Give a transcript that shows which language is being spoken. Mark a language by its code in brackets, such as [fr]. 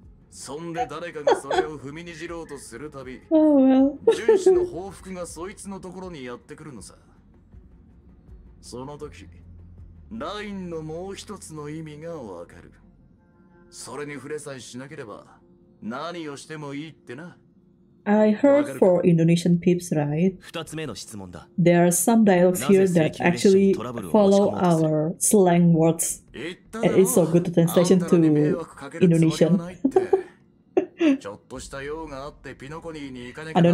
[ja] そんで誰かがそれを踏みにじろうとするたび、巡視の報復がそいつのところにやってくるのさ。その時、ラインのもう一つの意味がわかる。それに触れさえしなければ、何をしてもいいってな。 [en] I heard for Indonesian peeps, right? [ja] 二つ目の質問だ。 [en] There are some dialogues here that actually follow our slang words. It's so good translation to Indonesian. [ja] ちょっとした用があってピノコニーに行かなきゃなん